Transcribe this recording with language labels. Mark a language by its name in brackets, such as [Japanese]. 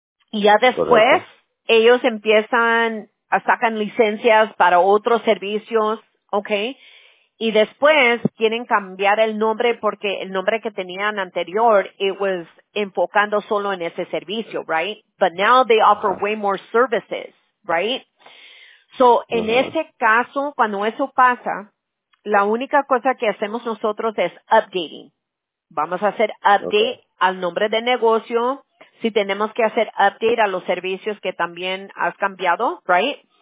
[Spanish] Y ya después, correcto. Ellos empiezan a sacar licencias para otros servicios, okay. Y después quieren cambiar el nombre porque el nombre que tenían anterior, [English] it was [Spanish] enfocando solo en ese servicio, right? [English] But now they offer way more services, right? [Spanish] So, en ese caso, cuando eso pasa, la única cosa que hacemos nosotros es updating. Vamos a hacer update al nombre de negocio. Si tenemos que hacer update a los servicios que también has cambiado, right?